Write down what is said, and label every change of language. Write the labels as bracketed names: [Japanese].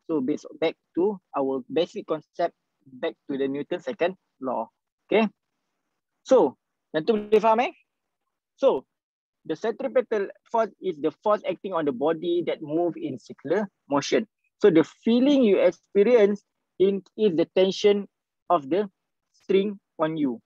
[English] So based back to our basic concept, back to the Newton second law. Okay? [Malay] So, yang tu boleh faham eh? [English] So, the centripetal force is the force acting on the body that move in circular motion. So the feeling you experience in is the tension of the string on you.